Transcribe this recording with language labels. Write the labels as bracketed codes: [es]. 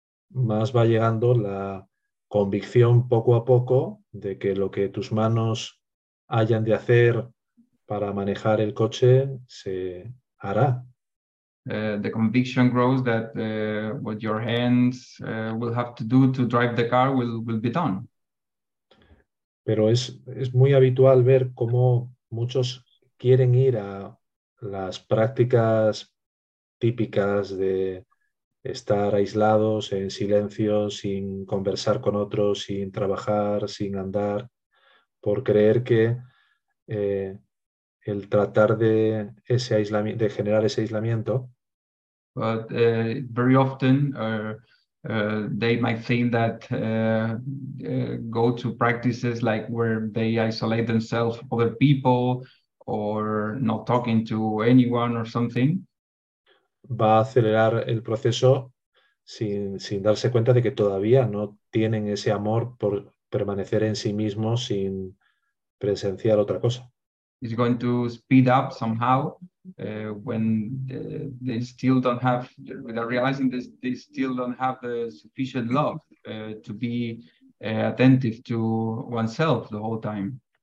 [es] Más va llegando la convicción poco a poco de que lo que tus manos hayan de hacer para manejar el coche se hará. [en] The conviction grows that what your hands will have to do to drive the car will be done. [es] Pero es muy habitual ver cómo muchos quieren ir a las prácticas típicas de estar aislados en silencio, sin conversar con otros, sin trabajar, sin andar, por creer que el tratar de ese aislamiento, de generar ese aislamiento. [en] But very often they might think that go to practices like where they isolate themselves from other people or not talking to anyone or something. [es] va a acelerar el proceso sin darse cuenta de que todavía no tienen ese amor por permanecer en sí mismos sin presenciar otra cosa. [en] It's going to speed up somehow when they still don't have, without realizing this, they still don't have the sufficient love to be attentive to oneself the whole time.